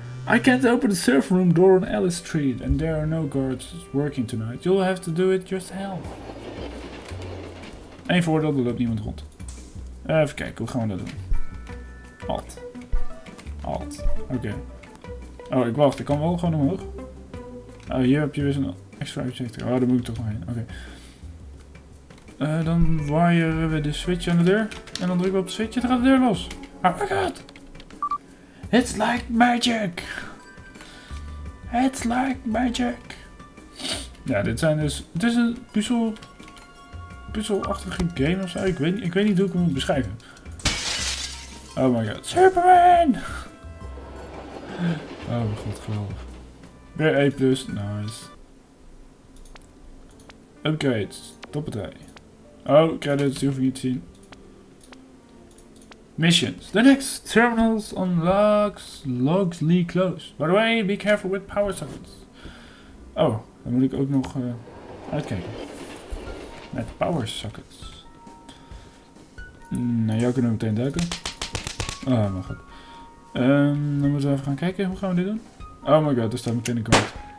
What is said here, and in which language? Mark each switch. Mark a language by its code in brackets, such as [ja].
[en] I can't open the server room door on Alice Street and there are no guards working tonight. You'll have to do it yourself. [nl] Eén voordeel, er loopt niemand rond. Even kijken, hoe gaan we dat doen? Alt. Alt. Oké. Okay. Oh, ik wacht, ik kan wel gewoon omhoog. Oh, hier heb je weer zo'n extra uitzicht. Oh, daar moet ik toch nog heen. Oké. Okay. Dan wiren we de switch aan de deur. En dan drukken we op de switch en dan gaat de deur los. [en] Oh my god! It's like magic! It's like magic! [nl] Ja, dit zijn dus... Het is een puzzelachtige game ofzo. Ik weet niet hoe ik hem moet beschrijven. [en] Oh my god. Superman! [nl] Oh mijn god, geweldig. Weer E+, nice. Upgrade, toppartij. Oh, credits, die hoef ik niet te zien. [en] Missions. The next terminals unlocks Logsley Close. By the way, be careful with power sockets. [nl] Oh, dan moet ik ook nog uitkijken. Met power sockets. Nou, jou kunnen we meteen duiken. Oh mijn god. Dan moeten we even gaan kijken. Hoe gaan we dit doen? [en] Oh my god, [nl] er staat meteen een kwart.